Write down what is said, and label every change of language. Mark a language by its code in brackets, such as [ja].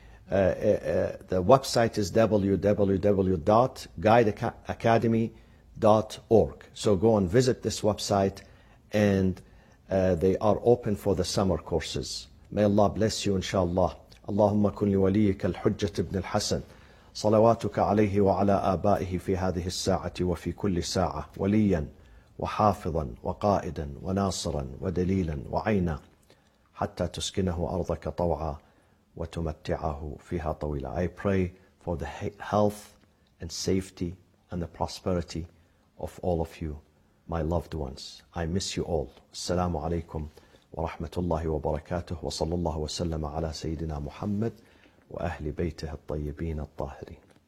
[en] The website is www.guideacademy.org. So go and visit this website, and they are open for the summer courses. May Allah bless you, inshallah. [ar] Allahumma kun li waliyika al-hujjat ibn al-Hassan. صلواتك عليه وعلى آبائه في هذه الساعة وفي كل ساعة وليا وحافظا وقائدا وناصرا ودليلا وعينا حتى تسكنه أرضك طوعا وتمتعه فيها طويلا. [en] I pray for the health and safety and the prosperity of all of you, my loved ones. I miss you all. [ar] السلام عليكم ورحمة الله وبركاته وصلى الله وسلم على سيدنا محمد وأهل بيته الطيبين الطاهرين.